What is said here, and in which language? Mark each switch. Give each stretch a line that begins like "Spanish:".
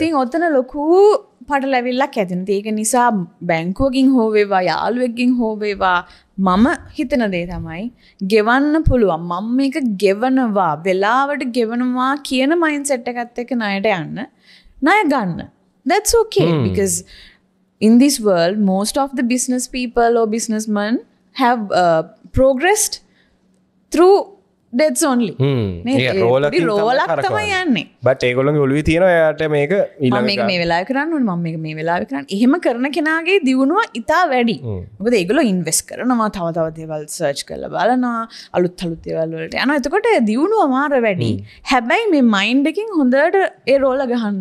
Sinhala: ඉතින් ඔතන ලොකු පටලැවිල්ලක් ඇතිවෙනවා. ඒක නිසා බැංකුවකින් හෝ වේවා යාළුවෙක්ගෙන් හෝ වේවා මම හිතන දේ තමයි ගෙවන්න පුළුවන්, මම මේක ගෙවනවා, වෙලාවට ගෙවනවා කියන මයින්ඩ් සෙට් එකත් එක්ක ණයට යන්න, ණය ගන්න.
English: That's okay because in this world most of the business people or businessmen have progressed through debts only.
Sinhala: ඒක රෝලක් තමයි යන්නේ. But ඒගොල්ලෝගේ ඔළුවේ තියෙනවා එයාට මේක ඊළඟට මම මේක මේ වෙලාවේ කරන්න ඕනේ, මම මේක මේ වෙලාවේ කරන්න. එහෙම කරන කෙනාගේ දියුණුව ඉතා වැඩි. මොකද ඒගොල්ලෝ ඉන්වෙස්ට් කරනවා, තව තව දේවල් සර්ච් කරලා බලනවා, අලුත් දේවල් වලට යනවා. එතකොට දියුණුව මාර වැඩි. හැබැයි මේ මයින්ඩ් එකෙන් හොඳට ඒ රෝල ගහන්න